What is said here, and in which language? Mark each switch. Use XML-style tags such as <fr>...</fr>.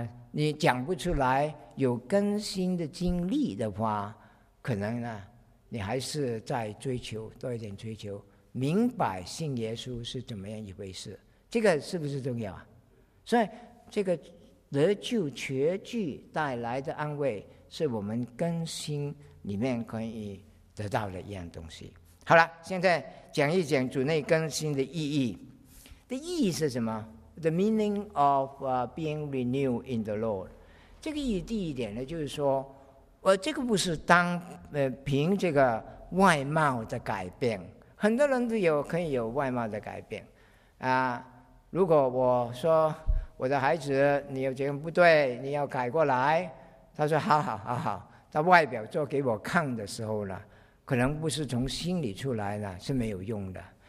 <zh>你讲不出来有更新的经历的话，可能呢，你还是在追求多一点，追求明白信耶稣是怎么样一回事，这个是不是重要啊？所以这个得救确据带来的安慰，是我们更新里面可以得到了一样东西。好了，现在讲一讲主内更新的意义。的意义是什么</zh> <en>？The meaning of being renewed in the Lord。</en> <zh>这个意义第一点呢，就是说，这个不是单凭这个外貌的改变，很多人都有可以有外貌的改变啊。如果我说我的孩子，你有这样不对，你要改过来，他说好好好好，他外表做给我看的时候呢，可能不是从心里出来的，是没有用的。</zh>